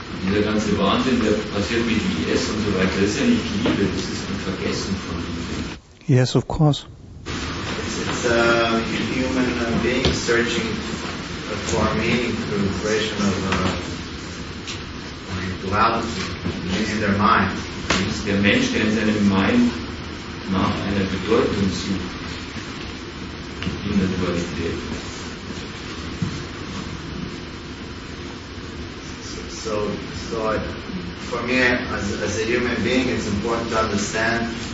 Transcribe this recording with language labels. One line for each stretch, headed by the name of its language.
German: Der ganze Wahnsinn, der passiert mit IS und so weiter, das ist ja nicht Liebe, das ist ein Vergessen von Liebe.
English: Yes, of course. It's a human being searching for meaning through the creation of duality in their mind.
German: Das ist der Mensch, der in seinem Mind nach einer Bedeutung sucht. Individualität.
English: So I, for me, as a human being, it's important to understand.